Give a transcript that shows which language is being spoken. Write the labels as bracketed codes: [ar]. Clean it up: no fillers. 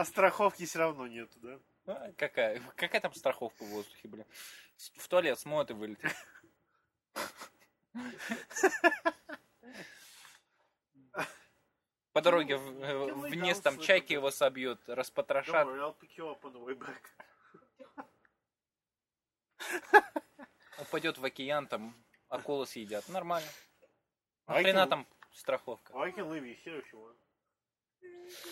[ru] А страховки все равно нету, да? А, какая там страховка в воздухе, блин? В туалет смоет и вылетит. По дороге вниз там чайки его собьют, распотрошат. [en] Don't worry, I'll pick you up on the way back. [ru] Упадет в океан, там акулы съедят. Нормально. Нахрена там страховка? [en] I can leave you here if you want.